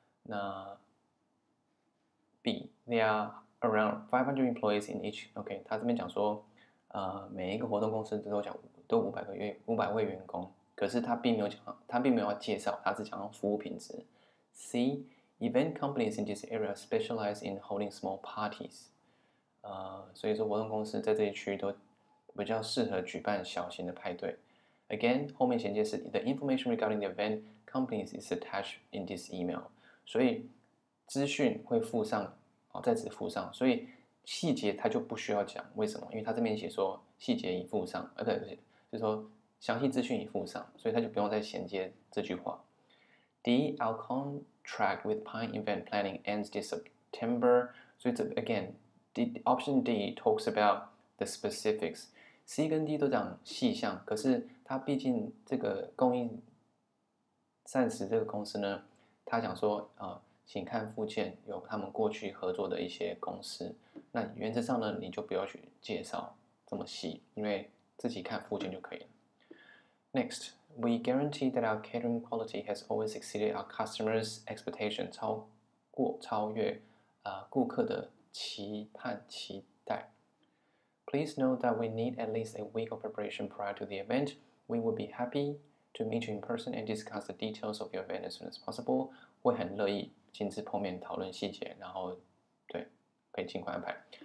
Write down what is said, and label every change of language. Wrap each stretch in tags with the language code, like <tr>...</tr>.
<en>那 B, there are around 500 employees in each.</en> <zh>OK, 他这边讲说，每一个活动公司都500位员工，可是他并没有介绍，他只讲服务品质。</zh> <en>C, event companies in this area specialize in holding small parties.</en> <zh>所以说活动公司在这一区都比较适合举办小型的派对。</zh> <en>Again,</en> <zh>后面衔接是</zh> <en>The information regarding the event companies is attached in this email.</en> <zh>所以资讯会附上，在此附上，所以细节它就不需要讲。为什么？因为它这边写说细节已附上，就是说详细资讯已附上，所以它就不用再衔接这句话。</zh> <en>D, our contract with Pine Event Planning ends this September.</en> <zh>所以这</zh> <en>again, option D talks about the specifics.</en> <zh>C 跟 D 都讲细项，可是他毕竟这个供应膳食这个公司呢，他讲说请看附件有他们过去合作的一些公司，那原则上呢，你就不要去介绍这么细，因为自己看附件就可以了。</zh> <en>Next, we guarantee that our catering quality has always exceeded our customers' expectations,</en> <zh>超越顾客的期盼期待。</zh> <en>Please note that we need at least a week of preparation prior to the event. We will be happy to meet you in person and discuss the details of your event as soon as possible.</en> <zh>会很乐意亲自碰面讨论细节，然后对，可以尽快安排。</zh>